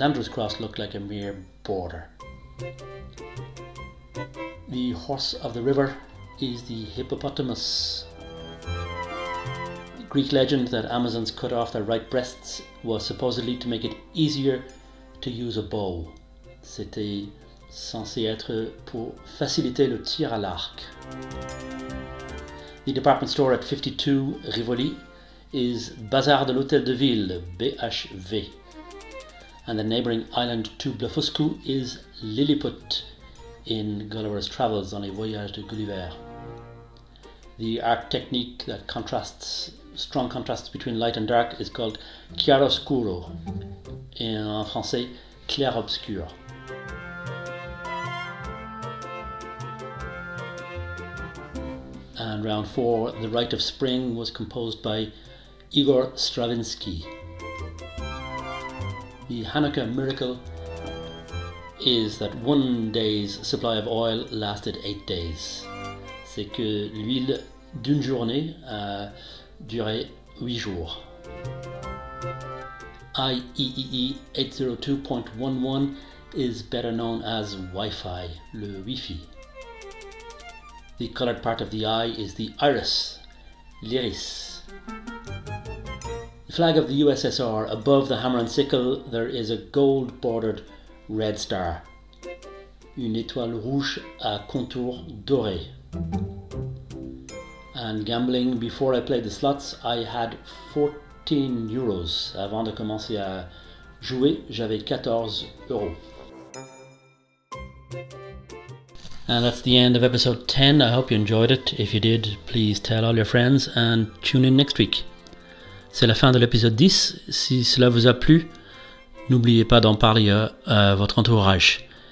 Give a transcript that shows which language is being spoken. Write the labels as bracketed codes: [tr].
[en] Andrew's cross look like a mere border. The horse of the river is the hippopotamus. The Greek legend that Amazons cut off their right breasts was supposedly to make it easier to use a bow. [fr] C'était censé être pour faciliter le tir à l'arc. [en] The department store at 52 Rivoli is Bazar de l'Hôtel de Ville, BHV. And the neighboring island to Blefuscu is Lilliput in Gulliver's Travels on a Voyage de Gulliver. The art technique that contrasts, strong contrasts between light and dark is called chiaroscuro, [fr] en français, [en] clair-obscur. And round 4, The Rite of Spring was composed by Igor Stravinsky. The Hanukkah miracle is that one day's supply of oil lasted 8 days. [fr] C'est que l'huile d'une journée a duré 8 jours. [en] IEEE 802.11 is better known as Wi-Fi, le Wi-Fi. The colored part of the eye is the iris, l'iris. The flag of the USSR, above the hammer and sickle, there is a gold-bordered red star. [fr] Une étoile rouge à contour doré. [en] And gambling, before I played the slots, I had 14 euros. [fr] Avant de commencer à jouer, j'avais 14 euros. [en] And that's the end of episode 10. I hope you enjoyed it. If you did, please tell all your friends and tune in next week. [fr] C'est la fin de l'épisode 10. Si cela vous a plu, n'oubliez pas d'en parler à votre entourage.